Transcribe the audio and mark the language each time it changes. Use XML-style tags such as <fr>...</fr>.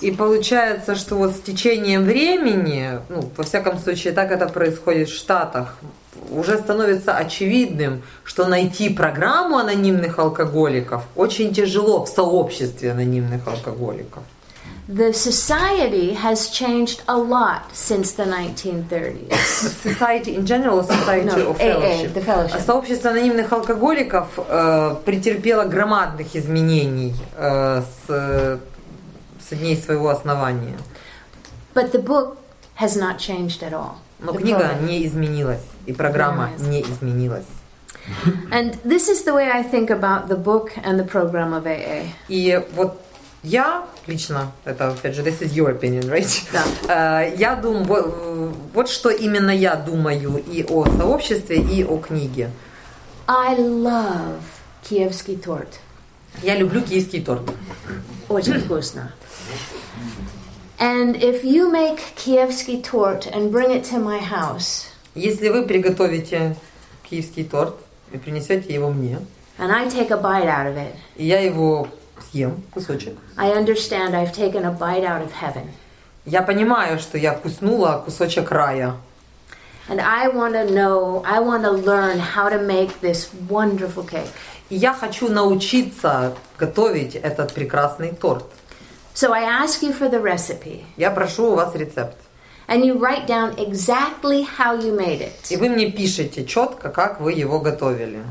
<ru>И получается, что вот с течением времени, ну, во всяком случае, так это происходит в Штатах, уже становится очевидным, что найти программу анонимных алкоголиков очень тяжело в сообществе анонимных алкоголиков.</ru> <en>The society has changed a lot since the 1930s. Society in general, society of fellowship.</en> <ru>Сообщество анонимных алкоголиков претерпело громадных изменений с дней своего основания.</ru> <en>But the book has not changed at all.</en> <ru>Но книга не изменилась, и программа не изменилась.</ru> <en>And this is the way I think about the book and the program of AA.</en> <ru>И вот я лично, это, опять же,</ru> <en>this is your opinion, right?</en> <ru>Да. Я думаю, вот что именно я думаю и о сообществе, и о книге.</ru> <en>I love киевский торт.</en> <ru>Я люблю киевский торт. Очень вкусно.</ru> <en>And if you make киевский торт and bring it to my house,</en> <ru>если вы приготовите киевский торт и принесете его мне,</ru> <en>and I take a bite out of it,</en> <ru>и я его съем кусочек.</ru> <en>I understand I've taken a bite out of heaven.</en> <ru>Я понимаю, что я вкуснула кусочек рая.</ru> <en>And I want to know, I want to learn how to make this wonderful cake.</en> <ru>Я хочу научиться готовить этот прекрасный торт.</ru> <en>So I ask you for the recipe.</en> <ru>Я прошу у вас рецепт.</ru> <en>And you write down exactly how you made it.</en> <ru>И вы мне пишете четко, как вы его готовили.</ru>